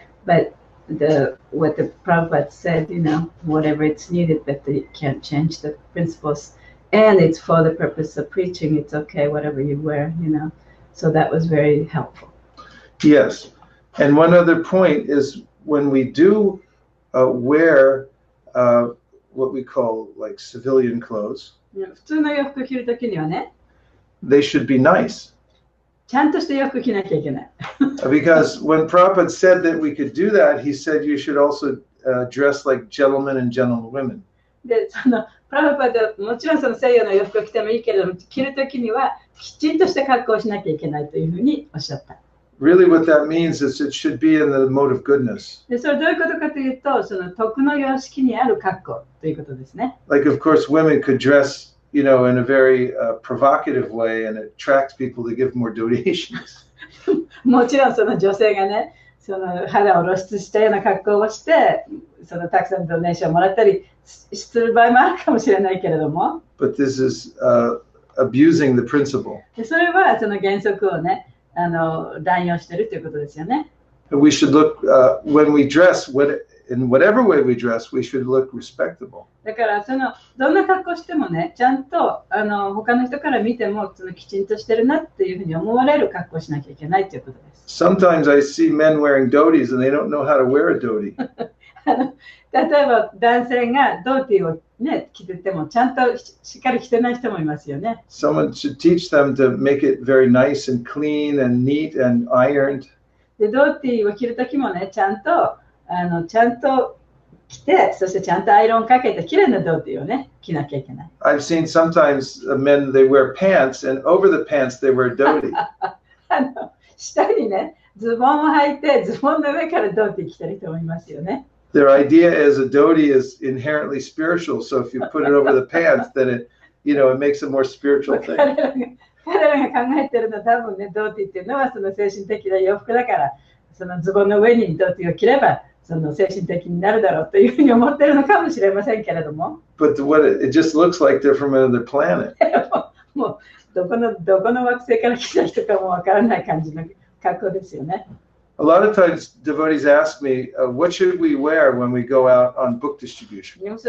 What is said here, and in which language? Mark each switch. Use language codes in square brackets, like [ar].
[en] But what the Prabhupada said, you know, whatever it's needed, but they can't change the principles. And it's for the purpose of preaching. It's okay, whatever you wear, you know. So that was very helpful. Yes. And one other point is when we do wear what we call like civilian clothes, [ja] 普通の洋服着るときにはね、 [en] They should be nice. [ja] ちゃんとした洋服着なきゃいけない。 [en] Because when Prabhupada said that we could do that, he said you should also dress like gentlemen and gentlewomen. [ja] で、Prabhupada もちろんその西洋の洋服を着てもいいけれども、着るときにはきちんとした格好をしなきゃいけないというふうにおっしゃった。 [en] Really what that means is it should be in the mode of goodness. [ja] で、それどういうことかというと、その徳の様式にある格好ということですね。 [en] Like of course women could dress, you know, in a very provocative way and attract people to give more donations. [ja] もちろんその女性がね、その肌を露出したような格好をしてそのたくさんのドネーションをもらったりする場合もあるかもしれないけれども [en] But this is, abusing the principle. [ja] でそれはその原則をね乱用してるということですよね [en] We should look, when we dress, what, in whatever way we dress, we should look respectable. [ja] だからそのどんな格好してもねちゃんと他の人から見てもそのきちんとしてるなっていうふうに思われる格好しなきゃいけないということです [en] Sometimes I see men wearing dhotis and they don't know how to wear a dhoti. [ja] 例えば男性がドーティーを、ね、着ててもちゃんとしっかり着てない人もいますよね [en] Someone should teach them to make it very nice and clean and neat and ironed. [ja] でドーティーを着るときもねちゃんとちゃんと着てそしてちゃんとアイロンかけて綺麗なドーティーをね着なきゃいけない [en] I've seen sometimes men they wear pants and over the pants they wear dhoti [ja] 下にねズボンを履いてズボンの上からドーティー着てる人もいますよね [en] Their idea is a dhoti is inherently spiritual, so if you put it over the pants, then it, you know, it makes a more spiritual thing. [ja] 彼らが考えてるのは多分ね、ドーティっていうのはその精神的な洋服だから、そのズボンの上にドーティを着れば、その精神的になるだろうというふうに思ってるのかもしれませんけれども。 [en] But what it just looks like they're from another planet. [ja] もうどこの惑星から来た人かもわからない感じの格好ですよね。 [en] A lot of times devotees ask me, what should we wear when we go out on book distribution?